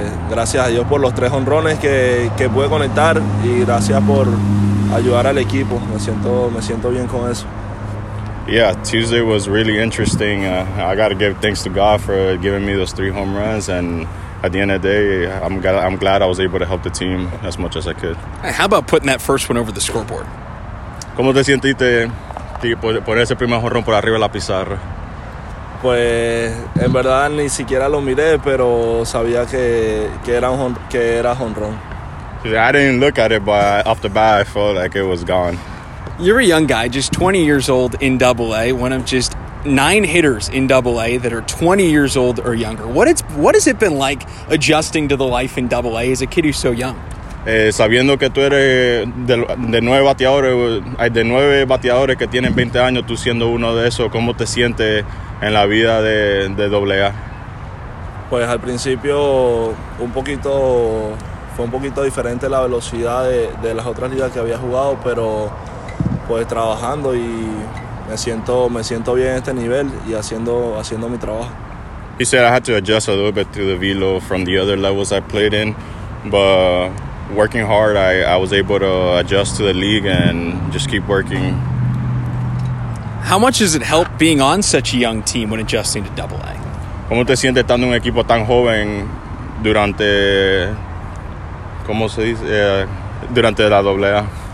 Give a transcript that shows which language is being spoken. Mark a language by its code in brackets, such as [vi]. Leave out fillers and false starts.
[es] Gracias a Dios por los tres jonrones que pude conectar y gracias por ayudar al equipo. Me siento bien con eso. [en] Yeah, Tuesday was really interesting. I got to give thanks to God for giving me those three home runs, and at the end of the day, I'm glad I was able to help the team as much as I could. Hey, how about putting that first one over the scoreboard? [es] ¿Cómo te sentiste por ese primer jonrón por arriba de la pizarra? Pues en verdad ni siquiera lo miré, pero sabía que era jonrón. [en] I didn't look at it, but off the bat I felt like it was gone. You're a young guy, just 20 years old in AA, one of just 9 hitters in AA that are 20 years old or younger. What has it been like adjusting to the life in AA as a kid who's so young? [es] Sabiendo que tú eres de nueve bateadores que tienen 20 años, tú siendo uno de esos, ¿cómo te sientes en la vida de AA? Pues al principio fue un poquito diferente la velocidad de las otras ligas que había jugado, pero pues trabajando y me siento bien en este nivel y haciendo mi trabajo. [en] He said I had to adjust a little bit to the velo from the other levels I played in, but working hard, I was able to adjust to the league and just keep working. How much does it help being on such a young team when adjusting to AA? [es] ¿Cómo te sientes estando en un equipo tan joven durante, cómo se dice, durante la AA?